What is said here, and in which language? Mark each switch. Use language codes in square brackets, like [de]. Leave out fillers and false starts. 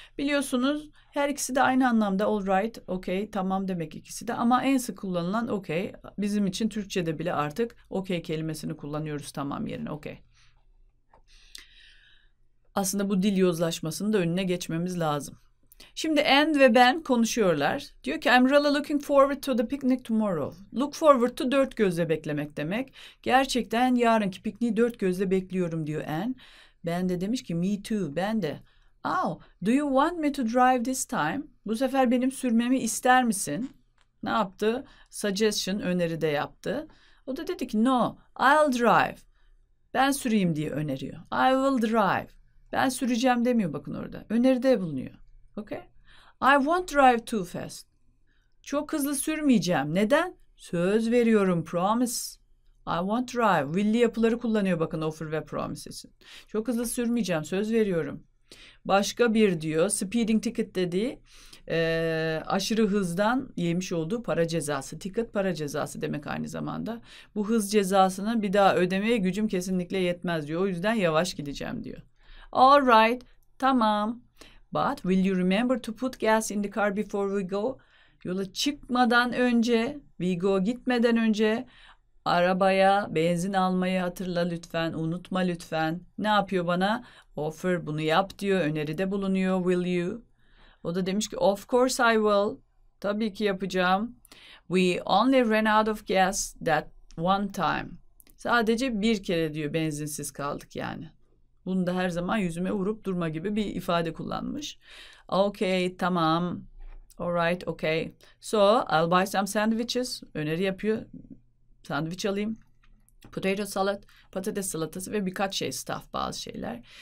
[tr] Biliyorsunuz her ikisi de aynı anlamda [en] alright, [tr] okay, tamam demek ikisi de ama en sık kullanılan okay. Bizim için Türkçe'de bile artık okay kelimesini kullanıyoruz tamam yerine okay. Aslında bu dil yozlaşmasının da önüne geçmemiz lazım. Şimdi and ve ben konuşuyorlar. Diyor ki [en] I'm really looking forward to the picnic tomorrow. Look forward to [tr] dört gözle beklemek demek. Gerçekten yarınki pikniği dört gözle bekliyorum diyor and. Ben de demiş ki [en] me too. [tr] Ben de. [en] Oh, do you want me to drive this time? [tr] Bu sefer benim sürmemi ister misin? Ne yaptı? Suggestion, öneri de yaptı. O da dedi ki [en] no, I'll drive. [tr] Ben süreyim diye öneriyor. [en] I will drive. [tr] Ben süreceğim demiyor bakın orada. Öneride bulunuyor. Okay? [en] I won't drive too fast. [tr] Çok hızlı sürmeyeceğim. Neden? Söz veriyorum. [en] Promise. I won't drive. [tr] Will'li yapıları kullanıyor bakın offer ve promises. Çok hızlı sürmeyeceğim. Söz veriyorum. Başka bir diyor. [en] Speeding ticket [tr] dediği aşırı hızdan yemiş olduğu para cezası. Ticket para cezası demek aynı zamanda. Bu hız cezasını bir daha ödemeye gücüm kesinlikle yetmez diyor. O yüzden yavaş gideceğim diyor. [en] All right. [tr] Tamam. [en] But will you remember to put gas in the car before we go? [tr] Yola çıkmadan önce, [en] we go [tr] gitmeden önce arabaya benzin almayı hatırla lütfen. Unutma lütfen. Ne yapıyor bana? Offer bunu yap diyor. Öneride bulunuyor. [en] Will you? [tr] O da demiş ki [en] of course I will. [tr] Tabii ki yapacağım. [en] We only ran out of gas that one time. [tr] Sadece bir kere diyor benzinsiz kaldık yani. Bunu da her zaman yüzüme vurup durma gibi bir ifade kullanmış. [en] Okay, [tr] tamam. [en] Alright, okay. So, I'll buy some sandwiches. [tr] Öneri yapıyor. Sandviç alayım. Potato salad, patates salatası ve birkaç şey staff bazı şeyler.